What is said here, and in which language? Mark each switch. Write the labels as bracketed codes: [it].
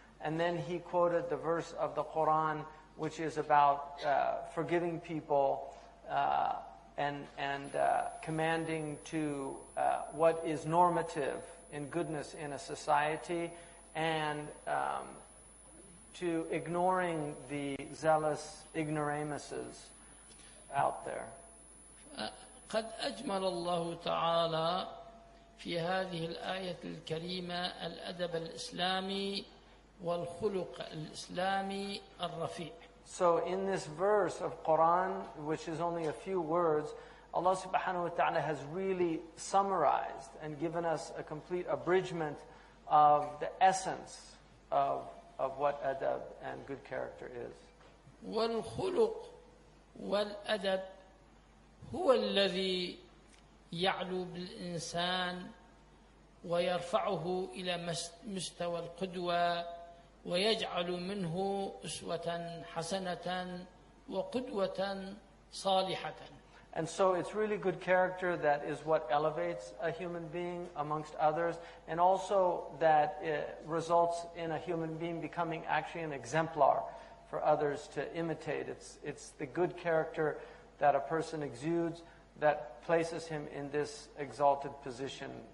[en] And then he quoted the verse of the Quran, which is about forgiving people and commanding to what is normative in goodness in a society, and to ignoring the zealous ignoramuses out there. [ar] قد أجمل الله تعالى في هذه الآية الكريمة الأدب الإسلامي والخلق الإسلامي الرفيع. [en] So in this verse of Quran, which is only a few words, Allah subhanahu wa ta'ala has really summarized and given us a complete abridgment of the essence of what adab and good character is. [ar] والخلق والأدب هو الذي يعلو بالإنسان ويرفعه إلى مستوى القدوة ويجعل منه أسوة حسنة وقدوة صالحة. [en] And so it's really good character that is what elevates a human being amongst others, and also that it results in a human being becoming actually an exemplar for others to imitate. It's the good character that a person exudes that places him in this exalted position.